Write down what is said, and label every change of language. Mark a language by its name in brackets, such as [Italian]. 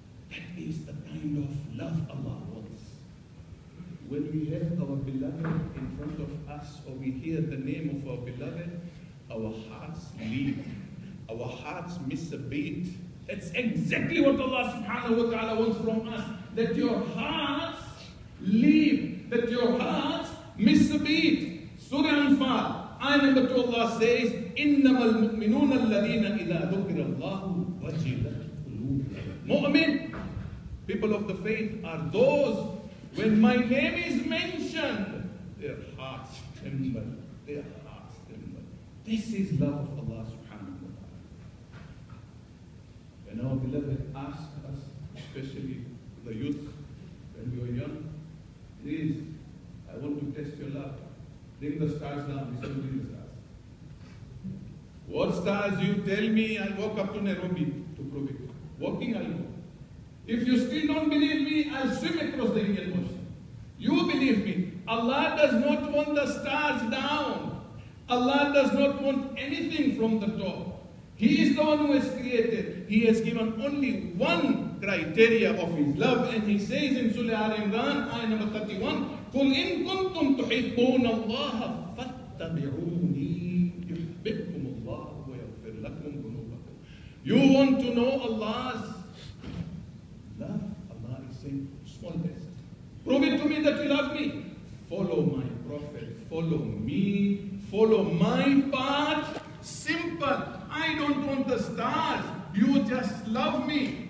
[English] That is the kind of love Allah. When we have our beloved in front of us, or we hear the name of our beloved, our hearts leap. Our hearts miss a beat. That's exactly what Allah subhanahu wa ta'ala wants from us. That your hearts leap. That your hearts miss the beat. Surah Anfal, ayah number 2, Allah says, [Arabic] إِنَّمَا الْمُؤْمِنُونَ الَّذِينَ إِذَا ذُكِرَ اللَّهُ وَجِلَتْ قُلُوبُهُمْ. [English] Mu'min, people of the faith, are those when my name is mentioned, their hearts tremble, their hearts tremble. This is love of Allah subhanahu wa ta'ala. When our beloved asks us, especially the youth, when we are young, please, I want to test your love. Bring the stars down, we still bring the stars. What stars you tell me, I'll walk up to Nairobi to prove it. Walking I'll go. If you still don't believe me, I'll swim across the Indian Ocean. You believe me. Allah does not want the stars down. Allah does not want anything from the top. He is the one who has created. He has given only one criteria of His love. And He says in Surah Al Imran, ayah number 31, [Arabic] قُلْ إِن كُنْتُمْ تُحِبُّونَ اللَّهَ فَاتَّبِعُونِي يُحْبِبْكُمُ اللَّهُ وَيَغْفِرْ لَكُمْ ذُنُوبَكُمْ. [English] You want to know Allah's love? Allah is saying, small test. Prove it to me that you love me. Follow my Prophet. Follow me. Follow my path. Simple. I don't want the stars. You just love me.